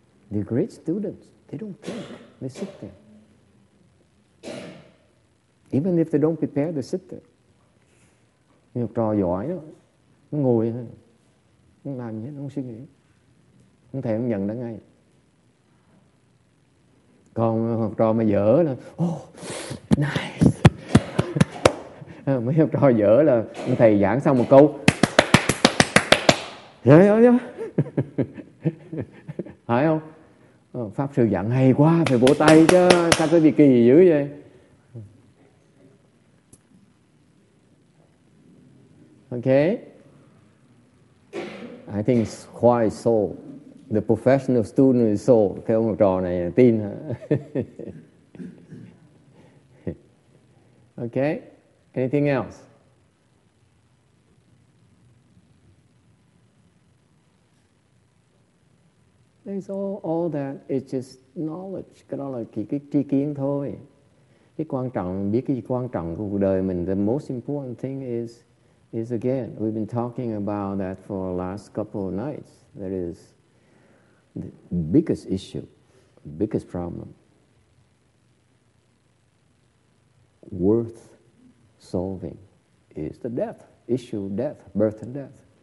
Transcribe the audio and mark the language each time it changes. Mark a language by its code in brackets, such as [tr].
[en] The great students, they don't think, they sit there. Even if they don't prepare, they sit there. [vi] Học trò giỏi đó, nó ngồi thôi, không làm gì hết, không suy nghĩ. Không thể không nhận ra ngay. Còn học trò mà dở là, oh, nice. Mấy học trò dở là, ông thầy giảng xong một câu. Dở. Phải không? Pháp sư dặn hay quá, phải vỗ tay chứ, sao cái gì kỳ dữ vậy? [en] Okay. I think it's quite so. The professional student is so. [vi] Cái ông học trò này tin hả? [en] Okay. Anything else? It's all that. It's just knowledge. [vi] Cái đó là cái tri kiến thôi. Cái quan trọng, biết cái gì quan trọng của cuộc đời mình. [en] The most important thing is again, we've been talking about that for the last couple of nights. That is the biggest issue, biggest problem. Worth solving is the death, issue death, birth and death.